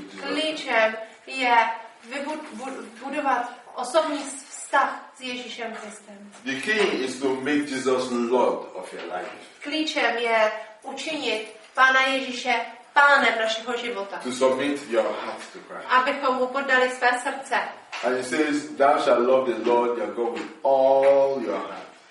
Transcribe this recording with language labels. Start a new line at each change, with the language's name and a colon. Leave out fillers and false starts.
Czech: Klíčem je budovat osobní vztah s Ježíšem Kristem.
English: The key is to make Jesus Lord of your life.
Czech: Klíčem je učinit Pána Ježíše pánem našeho života.
English: To submit your heart to Christ.
Czech: Abychom mu poddali své srdce.
English: And he says, thou shalt love the Lord your God with all your heart.